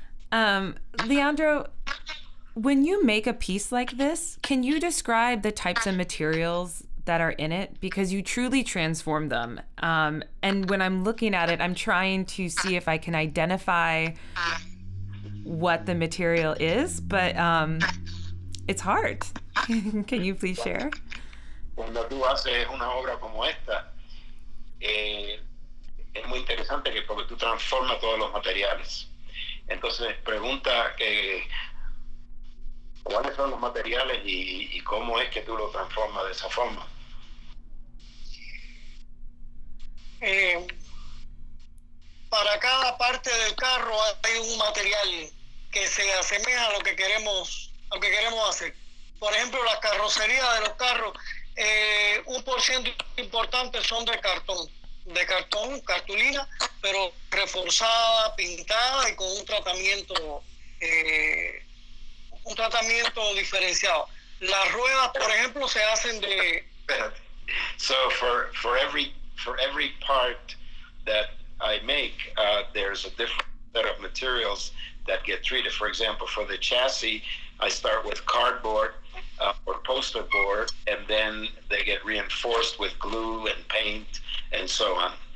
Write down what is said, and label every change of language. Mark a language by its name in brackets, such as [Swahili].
[English] Leandro, when you make a piece like this, can you describe the types of materials that are in it? Because you truly transform them. And when I'm looking at it, I'm trying to see if I can identify what the material is, but it's hard. Can you please share? [Spanish] Cuando tú haces una obra como esta, es muy interesante que porque tú transformas todos los materiales. Entonces pregunta que cuáles son los materiales y cómo es que tú lo transformas de esa forma. Para cada parte del carro hay un material que se asemeja a lo que queremos, hacer. Por ejemplo, la carrocería de los carros, un por ciento importante son de cartón, cartulina, pero reforzada, pintada y con un tratamiento diferenciado. Las ruedas, por ejemplo, se hacen de. [English] So for every part that I make, there's a different set of materials that get treated. For example, for the chassis, I start with cardboard or poster board, and then they get reinforced with glue and paint and so on.